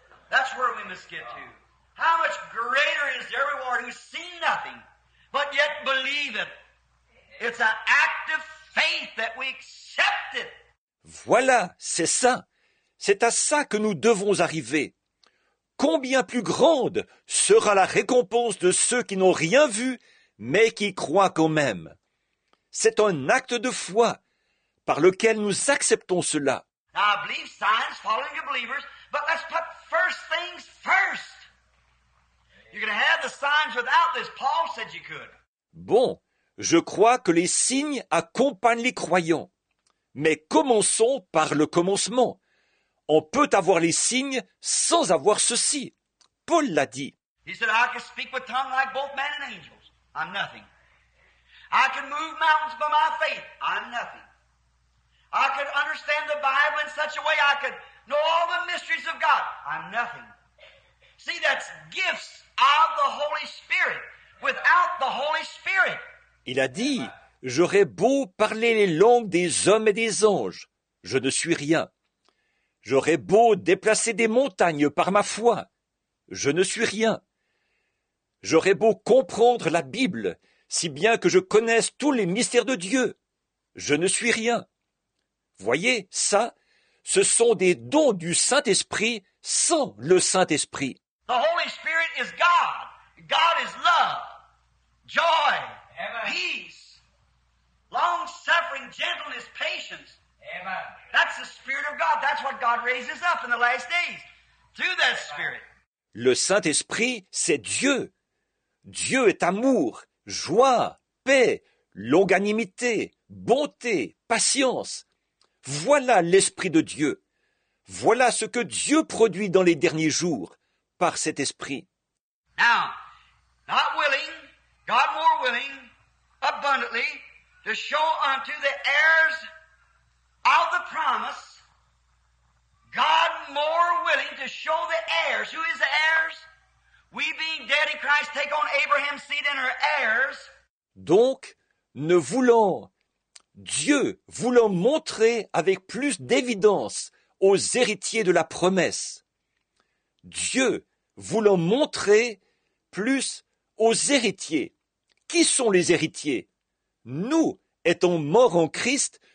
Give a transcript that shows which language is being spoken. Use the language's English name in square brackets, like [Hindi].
[English] That's where we must get to. How much greater is their reward who's seen nothing but yet believe it. It's an act of faith that we accept it. [French] Voilà, c'est ça. C'est à ça que nous devons arriver. Combien plus grande sera la récompense de ceux qui n'ont rien vu, mais qui croient quand même. C'est un acte de foi par lequel nous acceptons cela. [English] Now, I believe signs following the believers, but let's put first things first. You're going to have the signs without this. Paul said you could. [French] Bon, je crois que les signes accompagnent les croyants. Mais commençons par le commencement. On peut avoir les signes sans avoir ceci. Paul l'a dit. [English] He said, I can speak with tongues like both men and angels. I'm nothing. I can move mountains by my faith. I'm nothing. I can understand the Bible in such a way I could know all the mysteries of God. I'm nothing. See, that's gifts. Of the Holy Spirit, without the Holy Spirit. [French] Il a dit, j'aurais beau parler les langues des hommes et des anges, je ne suis rien. J'aurais beau déplacer des montagnes par ma foi, je ne suis rien. J'aurais beau comprendre la Bible, si bien que je connaisse tous les mystères de Dieu, je ne suis rien. Voyez, ça, ce sont des dons du Saint-Esprit sans le Saint-Esprit. [English] The Holy Spirit is God. God is love, joy, Amen. Peace, long-suffering, gentleness, patience. Amen. That's the Spirit of God. That's what God raises up in the last days, through that Spirit. [French] Le Saint-Esprit, c'est Dieu. Dieu est amour, joie, paix, longanimité, bonté, patience. Voilà l'Esprit de Dieu. Voilà ce que Dieu produit dans les derniers jours. Par cet esprit. [English] Now, not willing, God more willing, abundantly, to show unto the heirs of the promise, God more willing to show the heirs, who is the heirs? We being dead in Christ take on Abraham's seed and are heirs. [French] Donc, ne voulant, Dieu voulant montrer avec plus d'évidence aux héritiers de la promesse, Dieu voulant montrer plus aux héritiers. Qui sont les héritiers? Nous, étant morts en Christ,